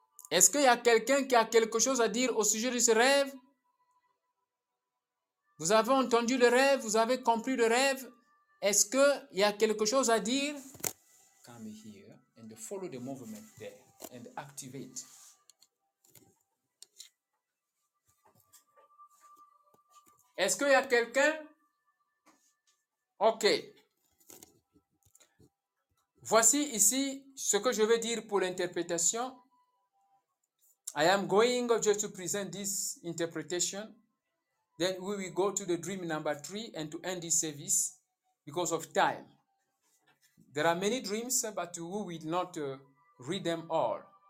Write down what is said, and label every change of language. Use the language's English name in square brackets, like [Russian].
[French] Est-ce qu'il y a quelqu'un qui a quelque chose à dire au sujet de ce rêve? Vous avez entendu le rêve, vous avez compris le rêve. Est-ce qu'il y a quelque chose à dire? [English] Come here and follow the movement there and activate. [French] Est-ce qu'il y a quelqu'un? OK. Voici ici ce que je vais dire pour l'interprétation. [English] I am going just to present this interpretation. Then we will go to the dream number 3 and to end this service because of time. There are many dreams, but we will not read them all.